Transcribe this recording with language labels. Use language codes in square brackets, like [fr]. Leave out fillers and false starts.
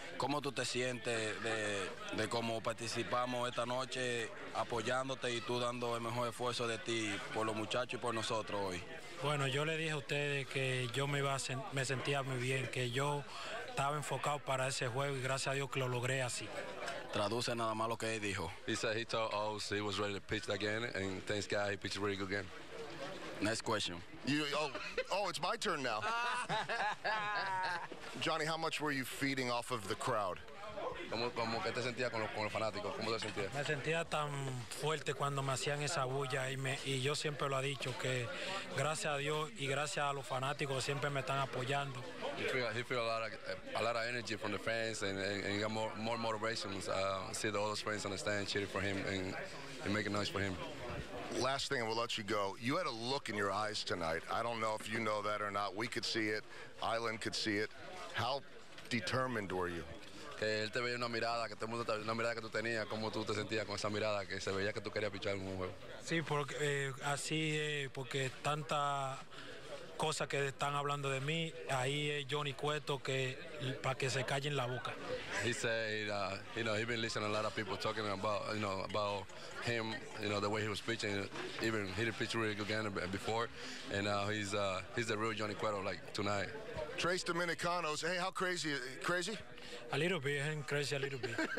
[es] ¿Cómo tú te sientes de cómo participamos esta noche apoyándote y tú dando el mejor esfuerzo de ti por los muchachos y por nosotros hoy? Bueno, yo le dije a ustedes que yo me sentía muy bien, que yo estaba enfocado para ese juego y gracias a Dios que lo logré así. Traduce nada más lo que él dijo. [en] He said he told us he was ready to pitch again, and thanks God he pitched a really good game. Next question. It's my turn now. Johnny, how much were you feeding off of the crowd? [es] ¿Cómo que te sentías con los fanáticos? ¿Cómo te sentías? Me sentía tan fuerte cuando me hacían esa bulla y yo siempre lo he dicho que gracias a Dios y gracias a los fanáticos siempre me están apoyando. [en] He feel a lot of energy from the fans and he got more motivation. See the other fans on the stand cheering for him and making noise for him. Last thing, and we'll let you go. You had a look in your eyes tonight. I don't know if you know that or not. We could see it. Island could see it. How determined were you? [es] Él te veía una mirada, que todo el mundo, una mirada que tú tenías, cómo tú te sentías con esa mirada, que se veía que tú querías pichar un juego. Sí, porque así porque tanta cosa que están hablando de mí, ahí es Johnny Cueto que para que se callen la boca. [en] He said, you know, he's been listening to a lot of people talking about, you know, about him, you know, the way he was pitching. Even he didn't pitch really good game before, and now he's the real Johnny Cueto, like, tonight. Trace Dominicanos, hey, how crazy? A little bit, I'm crazy a little bit.